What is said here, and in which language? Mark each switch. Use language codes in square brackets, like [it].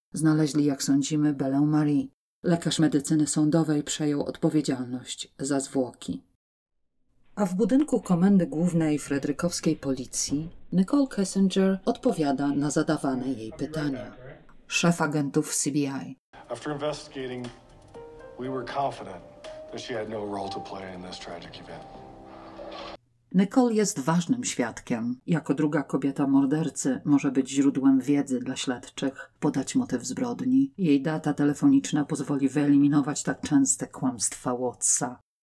[pl] Znaleźli, jak sądzimy, Belę Marie. Lekarz medycyny sądowej przejął odpowiedzialność za zwłoki. A w budynku Komendy Głównej Frederykowskiej Policji Nichol Kessinger odpowiada na zadawane jej pytania. Szef agentów CBI. [en] After investigating, we were confident that she had no role to play in this tragic event. [pl] Nichol jest ważnym świadkiem. Jako druga kobieta mordercy może być źródłem wiedzy dla śledczych, podać motyw zbrodni. Jej data telefoniczna pozwoli wyeliminować tak częste kłamstwa Wattsa.